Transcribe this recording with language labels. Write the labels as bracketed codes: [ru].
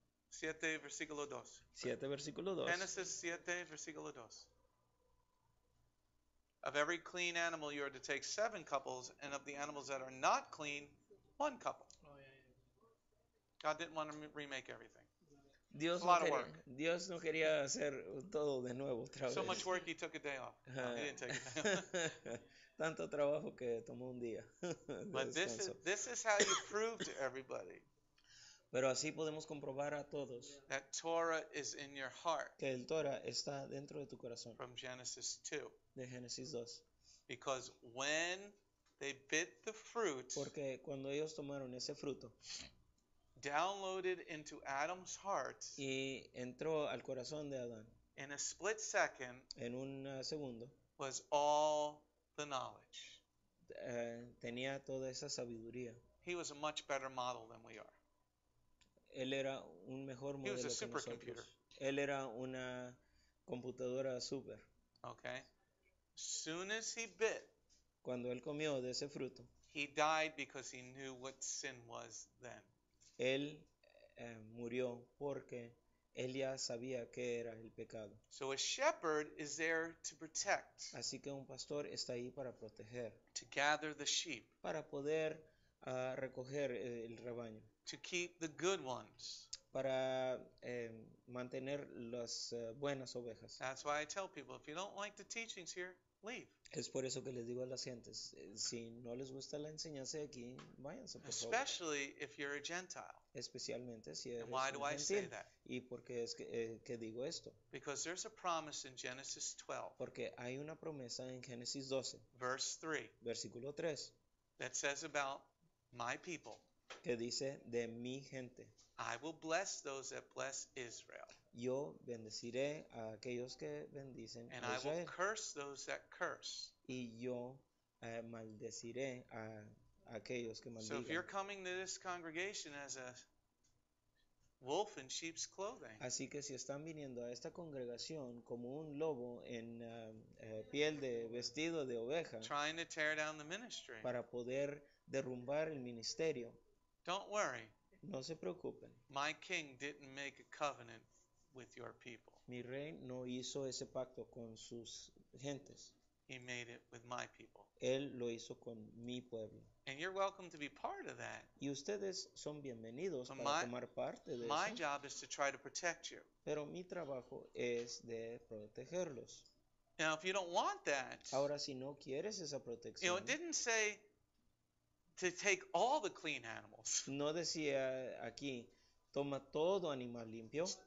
[es] 7, versículo 2. 7, versículo 2. Genesis 7, versículo 2. [en] Of every clean animal, you are to take 7 couples, and of the animals that are not clean, 1 couple. Oh, yeah, yeah. God didn't want to remake everything. [es] Dios [en] a lot [es] no quería, [en] of work. [es] Dios no quería hacer todo de nuevo, otra vez. [en] So much work, he took a day off. No, he didn't take a day off. [es] Tanto trabajo que tomó un día. [en] But this is how you prove to everybody. [es] Pero así podemos comprobar a todos [en] that Torah is in your heart. [es] Que el Torah está dentro de tu corazón. [en] From Genesis 2. [es] De Génesis 2. [en] Because when they bit the fruit, [es] porque cuando ellos tomaron ese fruto, [en] downloaded into Adam's heart, [es] y entró al corazón de Adán, [en] in a split second, [es] en un segundo, [en] was all the knowledge. [es] Tenía toda esa sabiduría. [en] He was a much better model than we are. [es] Él era un mejor modelo que nosotros. [en] He was a supercomputer. [es] Él era una computadora super. [en] Okay. Soon as he bit, [es] cuando él comió de ese fruto, [en] he died because he knew what sin was then. [es] Él murió porque él ya sabía qué era el pecado. [en] So a shepherd is there to protect. [es] Así que un pastor está ahí para proteger. [en] To gather the sheep. [es] Para poder recoger el rebaño. [en] To keep the good ones. [es] Para mantener las buenas ovejas. [en] That's why I tell people, if you don't like the teachings here, leave. [es] Es por eso que les digo a las gentes, si no les gusta la enseñanza de aquí, váyanse, por favor. [en] Especially if you're a Gentile. [es] Especialmente si eres un gentil. [en] And why do I say that? [es] ¿Y por qué es que digo esto? [en] Because there's a promise in Genesis 12. [es] Porque hay una promesa en Génesis 12. [en] Verse 3. [es] Versículo 3. [en] That says about my people. [es] Que dice de mi gente. [en] I will bless those that bless Israel. [es] Yo bendeciré a aquellos que bendicen [en] and [es] a Israel. [en] And I will curse those that curse. [es] Y yo maldeciré a aquellos que maldigan. [en] So if you're coming to this congregation as a wolf in sheep's clothing. [es] Así que si están viniendo a esta congregación como un lobo en piel de vestido de oveja. [en] Trying to tear down the ministry. [es] Para poder derrumbar el ministerio. [en] Don't worry. [es] No se preocupen. [en] My king didn't make a covenant with your people. [es] Mi rey no hizo ese pacto con sus gentes. [en] He made it with my people. [es] Él lo hizo con mi pueblo. [en] And you're welcome to be part of that. [es] Y ustedes son bienvenidos para tomar parte de eso. [en] My job is to try to protect you. [es] Pero mi trabajo es de protegerlos. [en] Now, if you don't want that, [es] ahora, si no quieres esa protección, [en] you know, it didn't say to take all the clean animals. [es] No decía aquí, toma todo animal limpio.